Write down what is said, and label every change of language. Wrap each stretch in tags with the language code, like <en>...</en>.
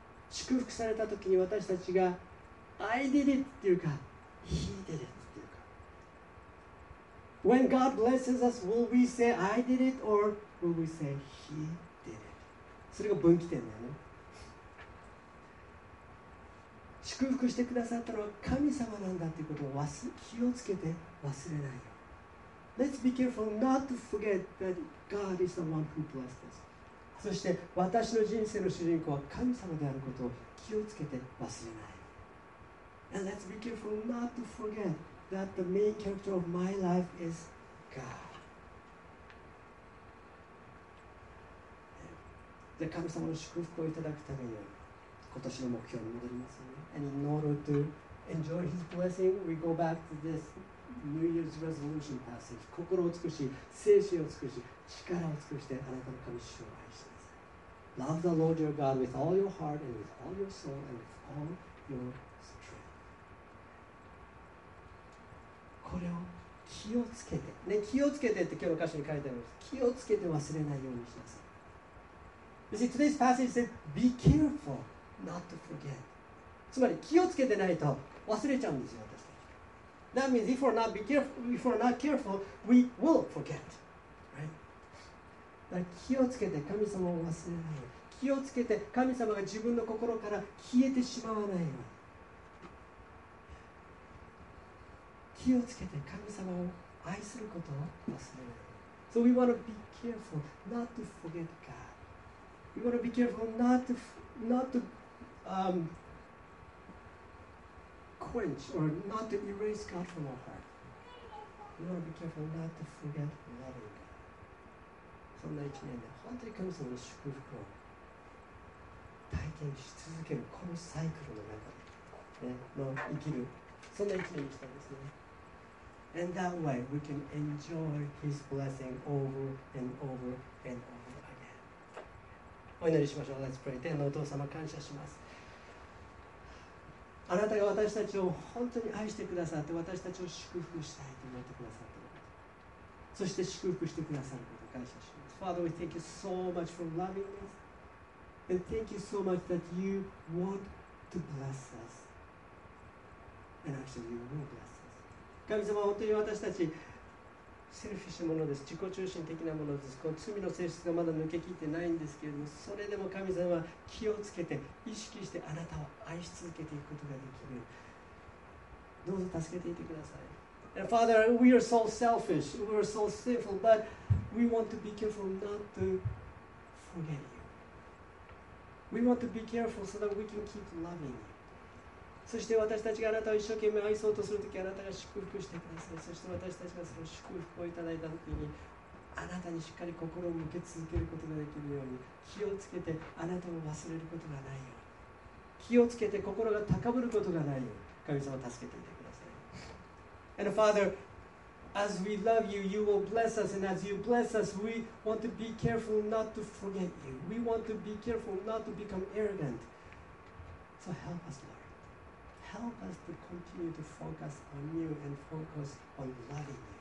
<ja>祝福されたときに私たちが</ja> <en>I did it</en> <ja>っていうか</ja> <en>He did it っていうか When God blesses us, will we say I did it or will we say He did it?</en> <ja>それが分岐点だよね。祝福してくださったのは神様なんだっていうことを気をつけて忘れないよ。</ja> <en>Let's be careful not to forget that God is the one who blessed us.</en> <ja>そして私の人生の主人公は神様であることを気をつけて忘れない。</ja> <en>And let's be careful not to forget that the main character of my life is God.</en> <ja>で神様の祝福をいただくために今年の目標に戻りますよね。</ja> <en>And in order to enjoy His blessing, we go back to this. New Year's Resolution passage.</en> <ja>心を尽くし、精神を尽くし、力を尽くして、あなたの神主を愛してください。</ja> <en>Love the Lord your God with all your heart and with all your soul and with all your strength.</en> <ja>これを気をつけて、ね、気をつけてって今日の歌詞に書いてあります。気をつけて忘れないようにしなさい。</ja> <en>You see, today's passage said, be careful not to forget.</en> <ja>つまり、気をつけてないと忘れちゃうんですよ。</ja> <en>That means if we're not be careful, if we're not careful, we will forget, right?</en> <ja>気をつけて神様を忘れないように。気をつけて神様が自分の心から消えてしまわないように。気をつけて神様を愛することを忘れないように。</ja> <en>So we want to be careful not to forget God. We want to be careful not to quench or not to erase God from our heart. We want to be careful not to forget loving God.</en> <ja>そんな一年で本当に神様の祝福を体験し続けるこのサイクルの中で、ね、の生きるそんな一年にしたんですね。</ja> <en>And that way we can enjoy His blessing over and over and over again.</en> <ja>お祈りしましょう。</ja> <en>Let's pray.</en> <ja>天のお父様感謝します。あなたが私たちを本当に愛してくださって私たちを祝福したいと思ってくださったこと、そして祝福してくださること、感謝します。</ja> <en>Father, we thank you so much for loving us. And thank you so much that you want to bless us. And actually, you will bless us.</en> <ja>神様、本当に私たち、セルフィッシュものです。自己中心的なものです。この罪の性質がまだ抜けきってないんですけれども、それでも神様は気をつけて、意識してあなたを愛し続けていくことができる。どうぞ助けていてください。</ja> <en>And Father, we are so selfish, we are so sinful, but we want to be careful not to forget you. We want to be careful so that we can keep loving you.</en> <ja>そして私たちがあなたを一生懸命愛そうとするとき、あなたが祝福してください。そして私たちがその祝福をいただいたときに、あなたにしっかり心を向け続けることができるように、気をつけてあなたを忘れることがないように、気をつけて心が高ぶることがないように、神様を助けていてください。</ja> <en>And Father, as we love you, you will bless us. And as you bless us, we want to be careful not to forget you. We want to be careful not to become arrogant. So help us, Lord. Help us to continue to focus on you and focus on loving you.</en>